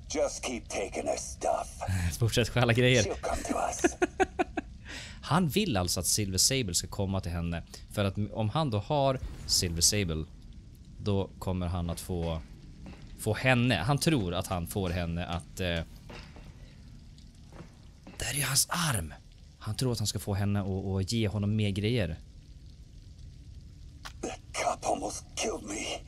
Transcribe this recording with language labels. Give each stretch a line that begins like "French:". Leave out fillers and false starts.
English: Just keep taking her stuff.
Swedish: Fortsätt stjäla grejer. Han vill alltså att Silver Sable ska komma till henne, för att om han då har Silver Sable, då kommer han att få henne. Han tror att han får henne att där är ju hans arm. Han tror att han ska få henne och ge honom mer grejer.
English: The cop almost killed me.